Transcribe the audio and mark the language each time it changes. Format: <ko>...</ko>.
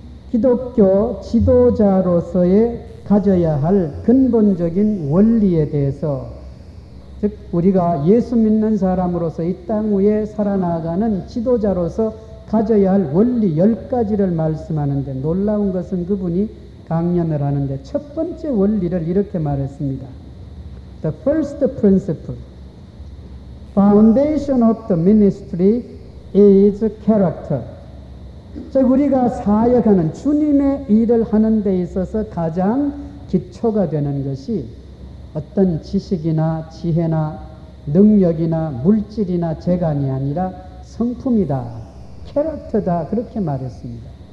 <ko>기독교 지도자로서의 가져야 할 근본적인 원리에 대해서, 즉 우리가 예수 믿는 사람으로서 이 땅 위에 살아나가는 지도자로서 가져야 할 원리 10가지를 말씀하는데, 놀라운 것은 그분이 강연을 하는데 첫 번째 원리를 이렇게 말했습니다.</ko> <en>The first principle, foundation of the ministry is character.</en> <ko>즉 우리가 사역하는 주님의 일을 하는 데 있어서 가장 기초가 되는 것이 어떤 지식이나 지혜나 능력이나 물질이나 재간이 아니라 성품이다, 캐릭터다, 그렇게 말했습니다.</ko>